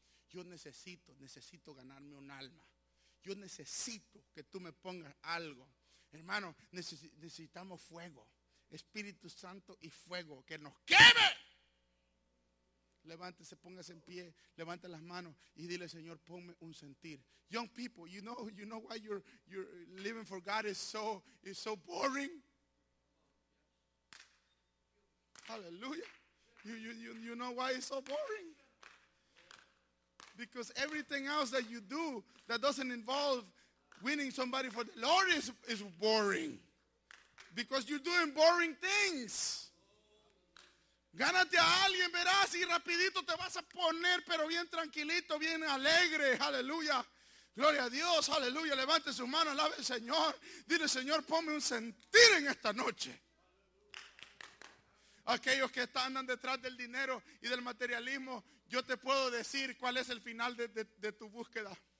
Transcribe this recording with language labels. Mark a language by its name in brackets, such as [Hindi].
[Spanish] Yo necesito ganarme un alma. Yo necesito que tú me pongas algo. Hermano, necesitamos fuego, Espíritu Santo y fuego, que nos queme. Levántese, póngase en pie, levante las manos y dile, Señor, ponme un sentir. [English] Young people, you know why you're living for God is so boring. Hallelujah. You know why it's so boring? Because everything else that you do that doesn't involve winning somebody for the Lord is boring. Because you're doing boring things. [Spanish] Gánate a alguien, verás, y rapidito te vas a poner, pero bien tranquilito, bien alegre. Aleluya. Gloria a Dios. Aleluya. Levante su mano, alabe al Señor. Dile, Señor, ponme un sentir en esta noche. Aquellos que andan detrás del dinero y del materialismo, yo te puedo decir cuál es el final de tu búsqueda.